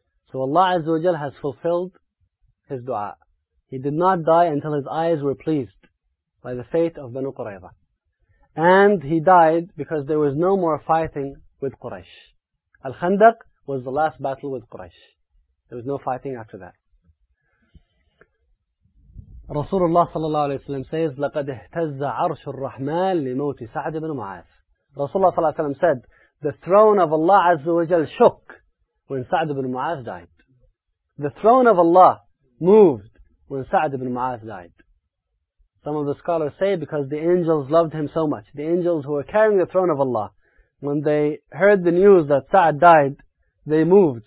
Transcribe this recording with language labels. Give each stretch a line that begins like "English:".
English: So Allah Azza wa Jal has fulfilled his dua. He did not die until his eyes were pleased by the fate of Banu Qurayza. And he died because there was no more fighting with Quraysh. Al-Khandaq was the last battle with Quraysh. There was no fighting after that. Rasulullah sallallahu alayhi wa sallam says,
Arabic: لَقَدْ اِهْتَزَّ عَرْشُ الرَّحْمَنِ لِمَوْتِ سَعْدِ بْنُ مُعَاذٍ.
English: Rasulullah sallallahu alayhi wa sallam said, the throne of Allah Azza wa Jal shook when Sa'd ibn Mu'adh died. The throne of Allah moved when Sa'd ibn Mu'adh died. Some of the scholars say because the angels loved him so much. The angels who were carrying the throne of Allah, when they heard the news that Sa'd died, they moved.